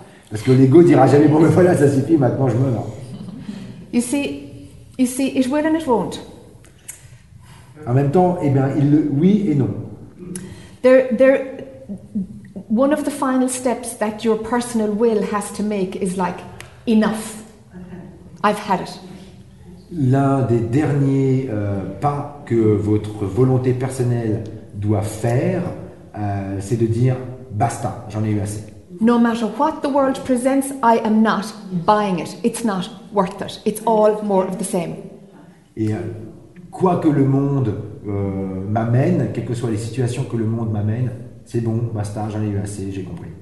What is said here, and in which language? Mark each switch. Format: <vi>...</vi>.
<fr>Parce que l'ego dira jamais, bon, mais voilà, ça suffit, maintenant je meurs.</fr> <en>You see, it will and it won't.</en> <fr>En même temps, eh bien, il le, oui et non.</fr> <en>There, one of the final steps that your personal will has to make is like, enough. I've had it.</en> <fr>L'un des derniers pas que votre volonté personnelle doit faire, c'est de dire, basta, j'en ai eu assez.</fr> <en>No matter what the world presents, I am not buying it. It's not worth it. It's all more of the same.</en> <fr>Et quoi que le monde m'amène, quelles que soient les situations que le monde m'amène, c'est bon, basta, j'en ai eu assez, j'ai compris.</fr>